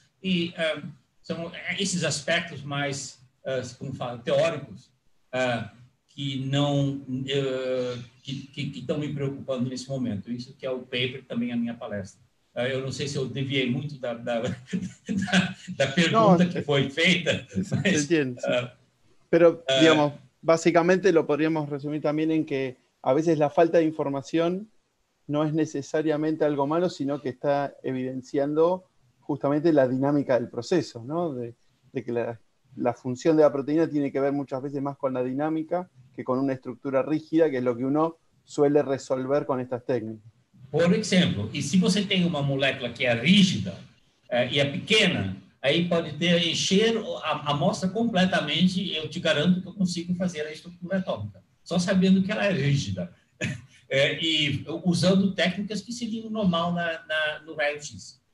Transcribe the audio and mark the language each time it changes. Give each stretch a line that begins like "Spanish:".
Portuguese: E são esses aspectos mais, como fala, teóricos, que não que estão me preocupando nesse momento. Isso que é o paper, também a minha palestra. Eu não sei se eu deviei muito da pergunta que foi feita, mas...
Spanish: Pero, digamos, básicamente lo podríamos resumir también en que a veces la falta de información no es necesariamente algo malo, sino que está evidenciando justamente la dinámica del proceso, ¿no? De que la función de la proteína tiene que ver muchas veces más con la dinámica que con una estructura rígida, que es lo que uno suele resolver con estas técnicas. Por ejemplo, y si
Portuguese: você tem
Spanish: una molécula que es rígida y es pequeña,
Portuguese: aí pode ter encher a amostra completamente, eu te garanto que eu consigo fazer a estrutura atômica, só sabendo que ela é rígida, e usando técnicas que seriam normal no raio-x.